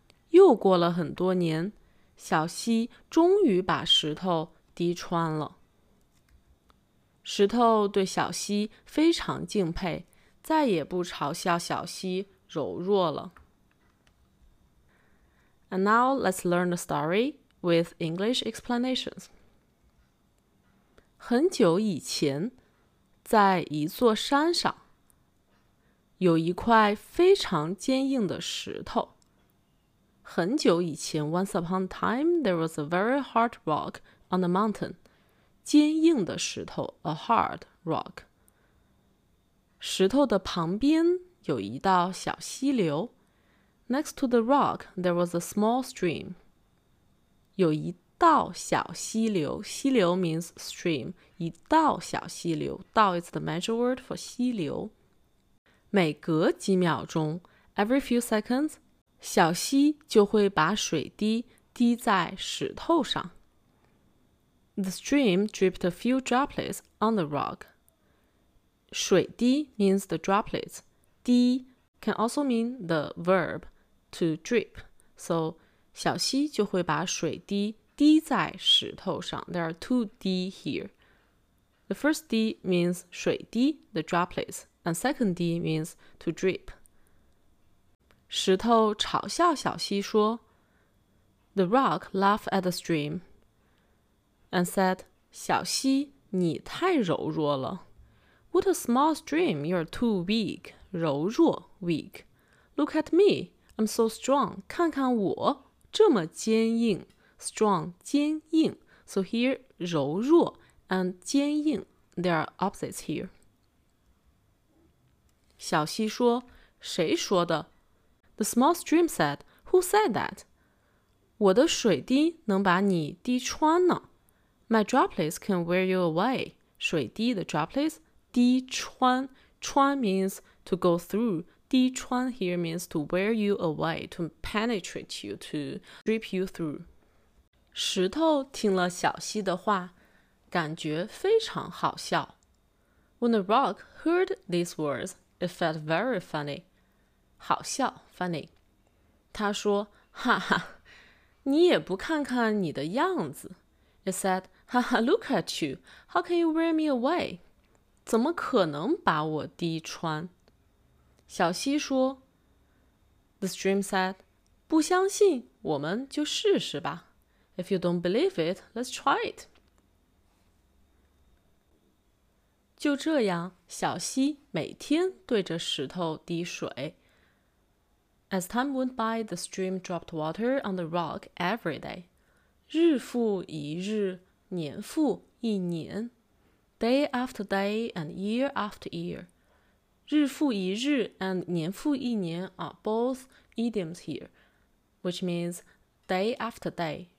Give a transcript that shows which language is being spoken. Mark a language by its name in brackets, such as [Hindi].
[Chinese] 又过了很多年，小溪终于把石头滴穿了。石头对小溪非常敬佩，再也不嘲笑小溪柔弱了。 [English] And now let's learn the story with English explanations. [Chinese] 很久以前，在一座山上，有一块非常坚硬的石头。很久以前 [English] ,once upon a time, there was a very hard rock on the mountain. [Chinese] 坚硬的石头 ,a hard rock. 石头的旁边有一道小溪流。 [English] Next to the rock, there was a small stream. [Chinese] 有一道小溪流。溪流 [English] means stream. [Chinese] 一道小溪流。 [English] 道 is the major word for 溪流。 [Chinese] 每隔几秒钟 , [English] every few seconds, [Chinese] 小溪就会把水滴滴在石头上。 [English] The stream dripped a few droplets on the rock. 水滴 means the droplets. 滴 can also mean the verb to drip. [Chinese] So, 小溪就会把水滴滴在石头上。 [English] There are two D here. The first D means 水滴 the droplets, and second D means to drip. [Chinese] 石头嘲笑小溪说 [English] ,The rock laughed at the stream and said, [Chinese] 小溪你太柔弱了。 [English] What a small stream, you're too weak, 柔弱 weak. Look at me, I'm so strong. [Chinese] 看看我这么坚硬 [English] strong 坚硬 So here 柔弱 and 坚硬 There are opposites here. [Chinese] 小溪说谁说的 [English] The small stream said, Who said that? [Chinese] 我的水滴能把你滴穿呢 [English] My droplets can wear you away. 水滴的 droplets 滴穿穿 means to go through. 滴穿 here means to wear you away, to penetrate you, to strip you through. [Chinese] 石头听了小溪的话感觉非常好笑。 [English] When the rock heard these words, it felt very funny. 好笑 funny. [Chinese] 他说哈哈你也不看看你的样子。 [English] It said, haha, look at you. How can you wear me away? [Chinese] 怎么可能把我滴穿？小溪说 [English] The stream said, [Chinese] 不相信我们就试试吧。 [English] If you don't believe it, let's try it. [Chinese] 就这样，小溪每天对着石头滴水。 [English] As time went by, the stream dropped water on the rock every day. [Chinese] 日复一日，年复一年。 [English] Day after day and year after year. 日复一日 and 年复一年 are both idioms here, which means day after day.